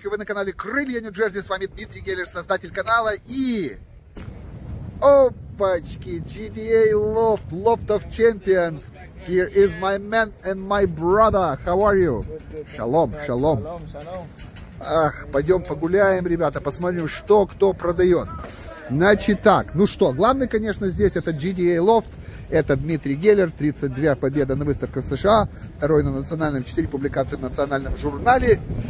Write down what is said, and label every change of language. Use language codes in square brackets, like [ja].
[ru] Вы на канале Крылья Нью-Джерси. С вами Дмитрий Геллер, создатель канала. И... Опачки! [en] GTA Loft, Loft of Champions. Here is my man and my brother. How are you? Шалом, шалом. [ru] Ах, пойдем погуляем, ребята. Посмотрим, что кто продает. Значит так, ну что, главный, конечно, здесь это GTA Loft. Это Дмитрий Геллер, 32 победа на выставках США, второй на национальном, 4 публикации в национальном журнале.